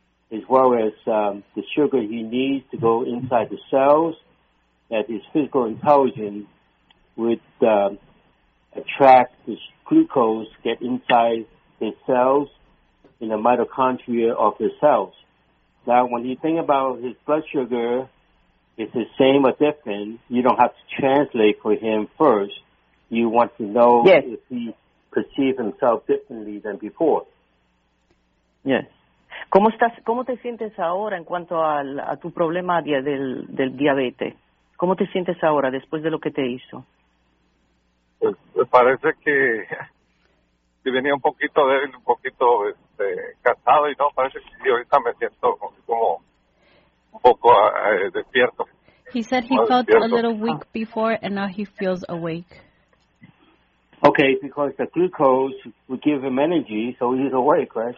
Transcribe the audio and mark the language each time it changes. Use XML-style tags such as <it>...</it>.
<en>as well as the sugar he needs to go inside the cells, that his physical intelligence would attract the glucose, get inside his cells, in the mitochondria of his cells. Now, when you think about his blood sugar, it's the same or different. You don't have to translate for him first. You want to know if he perceives himself differently than before.</en> <es>Yes. ¿Cómo estás? ¿Cómo te sientes ahora en cuanto a tu problema del diabetes? ¿Cómo te sientes ahora después de lo que te hizo? Pues, parece que si venía un poquito débil, un poquito cansado, y no, parece que ahorita me siento como un poco despierto.</es> <en>He said he felt despierto. A little weak before, and now he feels awake. Okay, because the glucose would give him energy, so he's awake, right?</en>